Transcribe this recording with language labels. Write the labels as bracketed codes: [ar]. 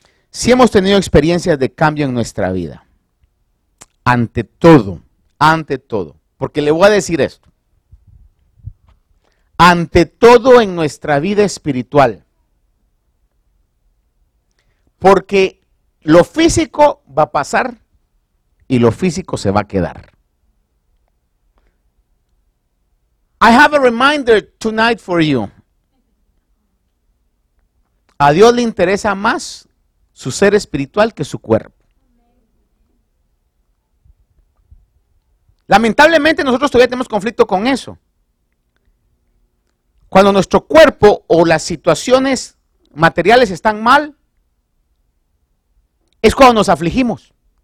[es] Si hemos tenido experiencias de cambio en nuestra vida, ante todo, porque le voy a decir esto, ante todo en nuestra vida espiritual, porque lo físico va a pasar y lo físico se va a quedar. [en] I have a reminder tonight for you. [es] A Dios le interesa más su ser espiritual que su cuerpo. Lamentablemente nosotros todavía tenemos conflicto con eso. Cuando nuestro cuerpo o las situaciones materiales están mal, es cuando nos afligimos.